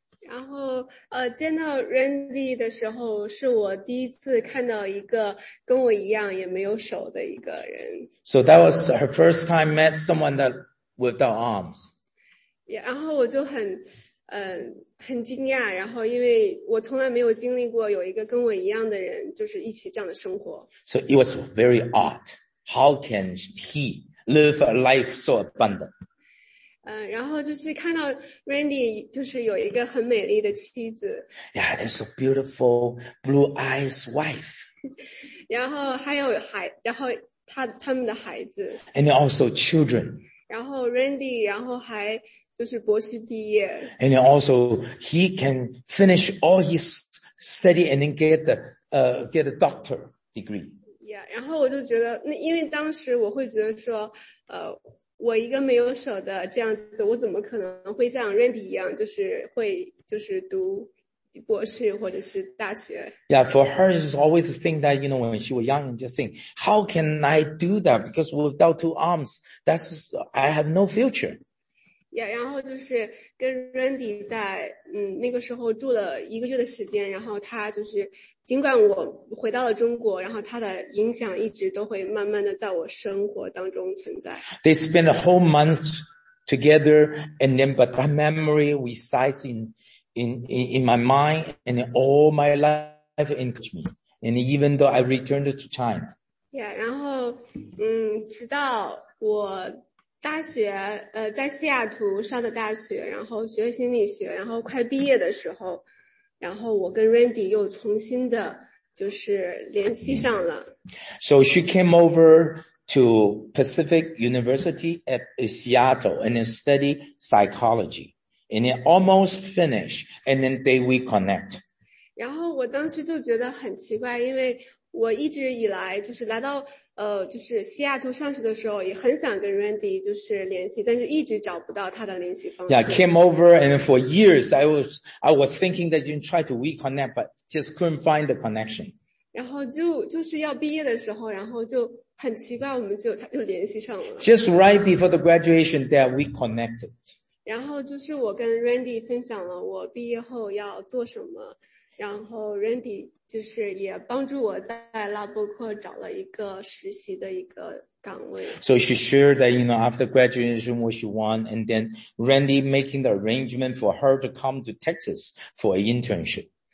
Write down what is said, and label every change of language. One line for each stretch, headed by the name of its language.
Chinese: 然后见到 Randy 的时候是我第一次看到一个跟我一样也没有手的一个人。
English: So that was her first time met someone that without arms.
Chinese: 然后我就很惊讶，然后因为我从来没有经历过有一个跟我一样的人就是一起这样的生活。
English: So it was very odd. How can he live a life so abundant?
Chinese: 然后就是看到 Randy 就是有一个很美丽的妻子。
English: Yeah, there's a beautiful blue eyes wife.
Chinese: 然后还有孩，然后他们的孩子。
English: And also children.
Chinese: 然后 Randy, 然后还就是博士毕业。
English: And also he can finish all his study and then get a doctor degree.
Chinese: Yeah, 然后我就觉得，那因为当时我会觉得说，我一个没有手的这样子，我怎么可能会像 Randy 一样，就是会就是读博士或者是大学
English: ？Yeah, for her is always the thing that you know when she was young, just think, how can I do that? Because without two arms, that's I have no future.
Chinese: Yeah, 然后就是跟 Randy 在那个时候住了一个月的时间，然后他就是尽管我回到了中国，然后他的影响一直都会慢慢的在我生活当中存在。
English: They spend a whole month together, and then but that memory resides in my mind and all my life in me. And even though I returned to China,
Chinese: yeah, 然后直到我大学在西雅图上的大学，然后学心理学，然后快毕业的时候。然后我跟 Randy 又重新的就是联系上了。
English: So she came over to Pacific University at Seattle and then study psychology. And then almost finished. And then they reconnect.
Chinese: 然后我当时就觉得很奇怪，因为我一直以来就是来到就是西雅图上学的时候也很想跟 Randy 就是联系，但是一直找不到他的联系方式。
English: Yeah, came over and for years I was thinking that you try to reconnect, but just couldn't find the connection.
Chinese: 然后就是要毕业的时候，然后就很奇怪，我们他就联系上了。
English: Just right before the graduation that we connected.
Chinese: 然后就是我跟 Randy 分享了我毕业后要做什么，然后 Randy就是也帮助我在拉伯克找了一个实习的一个岗位。
English: So she shared that, you know, after graduation, what she want, and then Randy making the arrangement for her to come to Texas for an internship.